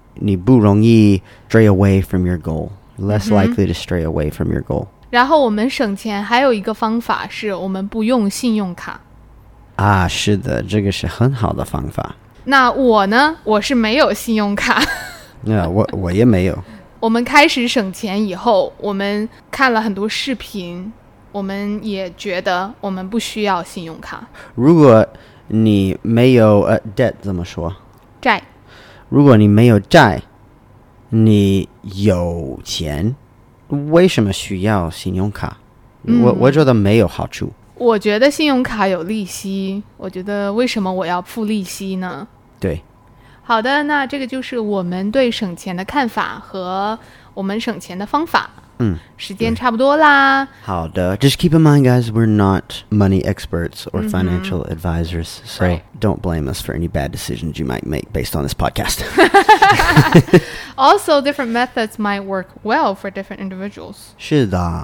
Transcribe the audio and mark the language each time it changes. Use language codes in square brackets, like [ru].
[zh] 你不容易 [en] stray away from your goal， less likely to stray away from your goal。 [zh] 然后我们省钱还有一个方法是我们不用信用卡。啊，是的，这个是很好的方法。那我呢，我是没有信用卡。那我也没有。我们开始省钱以后，我们看了很多视频，我们也觉得我们不需要信用卡。如果你没有debt 怎么说？债。如果你没有债，你有钱，为什么需要信用卡？我觉得没有好处。我觉得信用卡有利息，我觉得为什么我要付利息呢？对。好的，那这个就是我们对省钱的看法和我们省钱的方法。嗯，时间差不多啦。 [en] 好的， just keep in mind guys, we're not money experts or financial advisors, so don't blame us for any bad decisions you might make based on this podcast. Also, different methods might work well for different individuals. [zh] 是的。